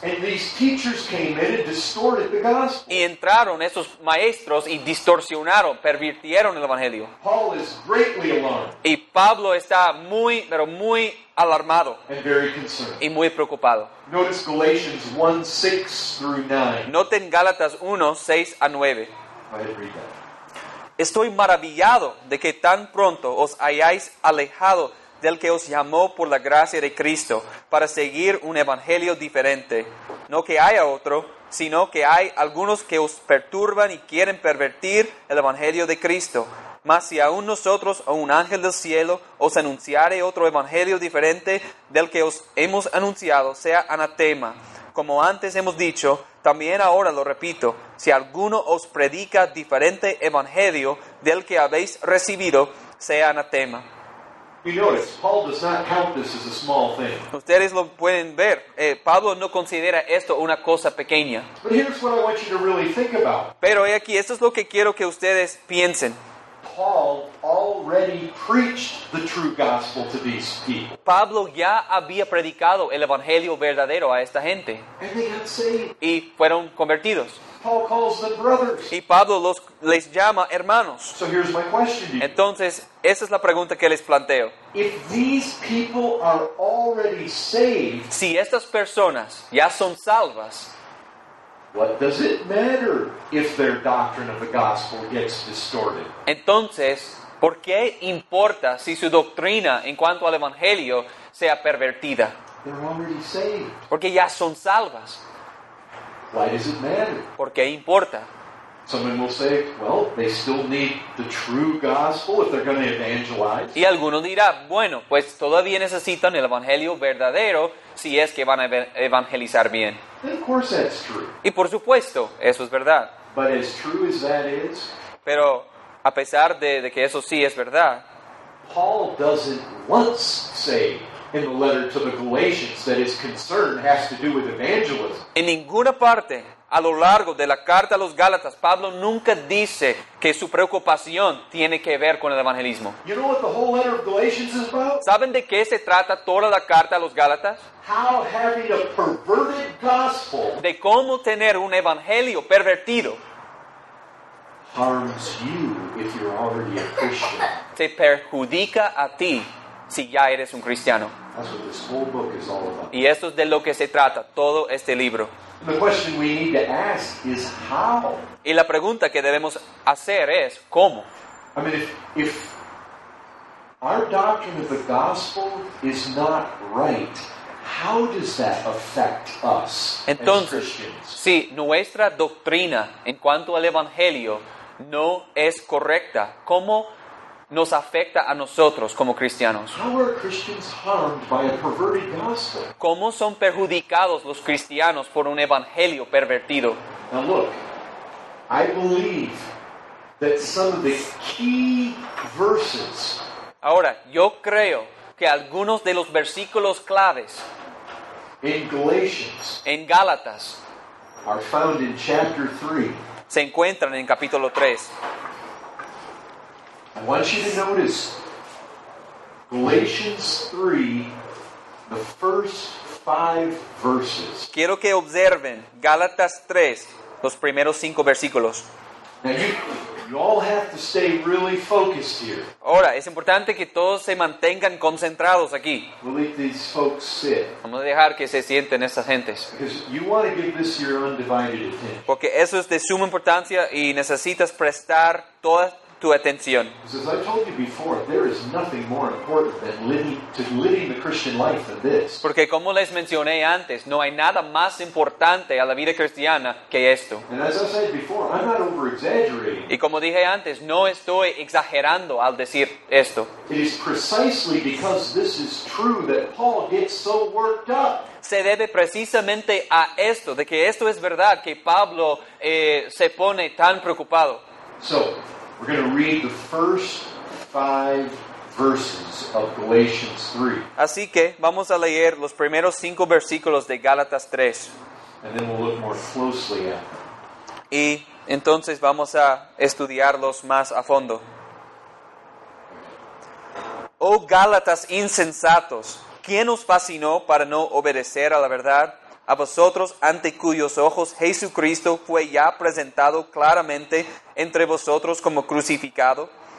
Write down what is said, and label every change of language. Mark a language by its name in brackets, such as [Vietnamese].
[English] And these teachers came in and distorted the gospel. [Spanish] Y entraron esos maestros y distorsionaron, pervirtieron el evangelio. [English] Paul is greatly alarmed. [Spanish] Y Pablo está muy, pero muy alarmado [English] and very concerned. [Spanish] Y muy preocupado. [English] Notice Galatians 1, 6 through 9. [Spanish] Noten Gálatas 1, 6 a 9. [English] I didn't read that. [Spanish] Estoy maravillado de que tan pronto os hayáis alejado del que os llamó por la gracia de Cristo para seguir un evangelio diferente. No que haya otro, sino que hay algunos que os perturban y quieren pervertir el evangelio de Cristo. Mas si aún nosotros o un ángel del cielo os anunciare otro evangelio diferente del que os hemos anunciado, sea anatema. Como antes hemos dicho, también ahora lo repito, si alguno os predica diferente evangelio del que habéis recibido, sea anatema. [English] You notice, Paul does not count this as a small thing. [Spanish] Ustedes lo pueden ver. Pablo no considera esto una cosa pequeña. [English] But here's what I want you to really think about. [Spanish] Pero he aquí, esto es lo que quiero que ustedes piensen. [English] Paul already preached the true gospel to these people. [Spanish] Pablo ya había predicado el evangelio verdadero a esta gente. [English] And they got saved. [Spanish] Y fueron convertidos. [English] Paul calls them brothers. [Spanish] Y Pablo les llama hermanos. [English] So here's my question to you. [Spanish] Entonces, esa es la pregunta que les planteo. [English] If these people are already saved, [Spanish] si estas personas ya son salvas, [English] what does it matter if their doctrine of the gospel gets distorted? [Spanish] Entonces, ¿por qué importa si su doctrina en cuanto al evangelio sea pervertida? [English] They're already saved. [Spanish] Porque ya son salvas. [English] Why does it matter? [Spanish] ¿Por qué importa? [English] Someone will say, well, they still need the true gospel if they're going to evangelize. [Spanish] Y alguno dirá, bueno, pues todavía necesitan el evangelio verdadero si es que van a evangelizar bien. [English] And of course that's true. [Spanish] Y por supuesto, eso es verdad. [English] But as true as that is, [Spanish] pero a pesar de que eso sí es verdad, [English] Paul doesn't once say in the letter to the Galatians that his concern has to do with evangelism. [Spanish] En ninguna parte a lo largo de la carta a los Gálatas, Pablo nunca dice que su preocupación tiene que ver con el evangelismo. [English] You know what the whole letter of Galatians is about? [Spanish] ¿Saben de qué se trata toda la carta a los Gálatas? [English] How having a perverted gospel, [Spanish] de cómo tener un evangelio pervertido, [English] harms you if you're already a Christian. [Spanish] Te perjudica a ti si ya eres un cristiano. [English] That's what this whole book is all about. [Spanish] Y esto es de lo que se trata todo este libro. [English] The question we need to ask is how. [Spanish] Y la pregunta que debemos hacer es cómo. [English] I mean, if our doctrine of the gospel is not right. How does that affect us? [Spanish] Entonces, [English] as Christians? [Spanish] Si nuestra doctrina en cuanto al evangelio no es correcta, ¿cómo nos afecta a nosotros como cristianos? [English] How are Christians harmed by a perverted gospel? [Spanish] ¿Cómo son perjudicados los cristianos por un evangelio pervertido? [English] Now look, I believe that some of the key verses. [Spanish] Ahora, yo creo que algunos de los versículos claves [English] in Galatians [Spanish] en Gálatas [English] are found in chapter 3. [Spanish] Se encuentran en capítulo 3. [English] I want you to notice Galatians 3, the first 5 verses. [Spanish] Quiero que observen Gálatas 3, los primeros 5 versículos. [English] You all have to stay really focused here. [Spanish] Ahora, es importante que todos se mantengan concentrados aquí. [English] We'll let these folks sit. [Spanish] Vamos a dejar que se sienten estas gentes. [English] Because you want to give this your undivided attention. [Spanish] Porque eso es de suma importancia y necesitas prestar toda tu atención. [English] As I told you before, there is nothing more important than living the Christian life than this. [Spanish] Porque como les mencioné antes, no hay nada más importante a la vida cristiana que esto. [English] And as I said before, I'm not over-exaggerating. [Spanish] Y como dije antes, no estoy exagerando al decir esto. [English] It is precisely because this is true that Paul gets so worked up. [Spanish] Se debe precisamente a esto, de que esto es verdad, que Pablo se pone tan preocupado. [English] So, we're going to read the first 5 verses of Galatians 3. [Spanish] Así que vamos a leer los primeros 5 versículos de Gálatas 3. [English] And then we'll look more closely at them. [Spanish] Y entonces vamos a estudiarlos más a fondo. Oh Gálatas insensatos, ¿quién os fascinó para no obedecer a la verdad? A vosotros, ante cuyos ojos Jesucristo fue ya presentado claramente entre vosotros como crucificado.